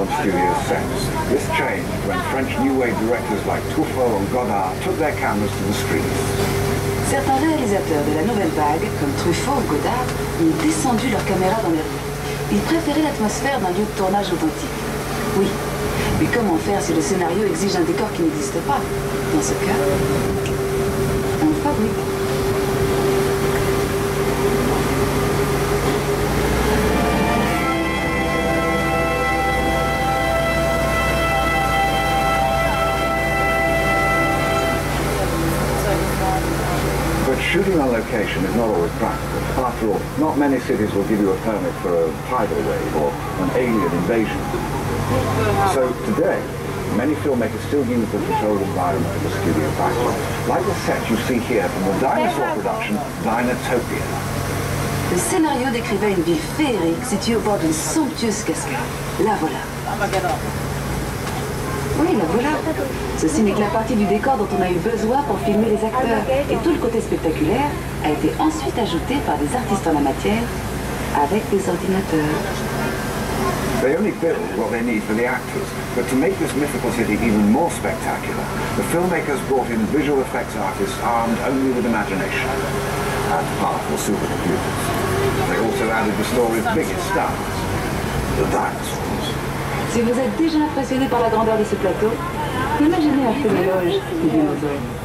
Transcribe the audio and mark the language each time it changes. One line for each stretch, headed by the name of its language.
English: French New Wave directors like Truffaut and Godard took their cameras to the streets.
French: Certains réalisateurs de la nouvelle vague, comme Truffaut ou Godard, ont descendu leurs caméras dans les rues. Ils préféraient l'atmosphère d'un lieu de tournage authentique. Oui, mais comment faire si le scénario exige un décor qui n'existe pas? Dans ce cas, on le fabrique.
English: Shooting on location is not always practical. After all, not many cities will give you a permit for a tidal wave or an alien invasion. So today, many filmmakers still use the controlled environment of the studio backdrop, like the set you see here from the dinosaur production Dinotopia.
French: Le scénario décrivait une ville féerique située au bord d'une somptueuse cascade. La voilà. Oui, la voilà. Ceci n'est que la partie du décor dont on a eu besoin pour filmer les acteurs. Et tout le côté spectaculaire a été ensuite ajouté par des artistes en la matière avec des ordinateurs.
English: They only build what they need for the actors. But to make this mythical city even more spectacular, the filmmakers brought in visual effects artists armed only with imagination and powerful supercomputers. They also added the story's biggest stars, the dinosaurs.
French: Si vous êtes déjà impressionné par la grandeur de ce plateau, imaginez un film éloge des dinosaures.